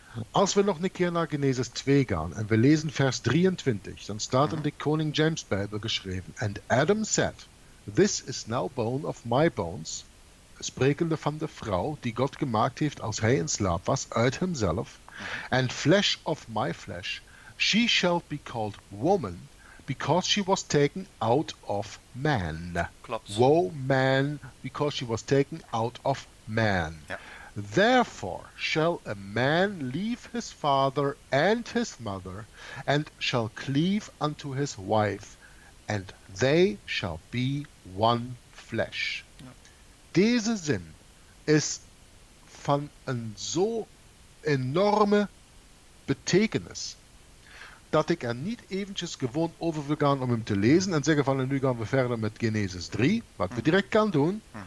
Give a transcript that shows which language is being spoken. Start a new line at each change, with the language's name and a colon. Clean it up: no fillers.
Dutch: Als we nog een keer naar Genesis 2 gaan en we lezen vers 23, dan staat in de Koning James Bijbel geschreven:
English: And Adam said, This is now bone of my bones,
Dutch: sprekende van de vrouw die God gemaakt heeft als hij in slaap was, uit hemzelf,
English: and flesh of my flesh, she shall be called woman, because she was taken out of man.
Dutch: Klopt.
English: Woe man, because she was taken out of man.
Dutch: Ja.
English: Therefore shall a man leave his father and his mother, and shall cleave unto his wife, and they shall be one flesh.
Dutch: Ja. Deze zin is van een zo enorme betekenis, dat ik er niet eventjes gewoon over wil gaan om hem te lezen en zeggen van nu gaan we verder met Genesis 3, wat we direct kan doen.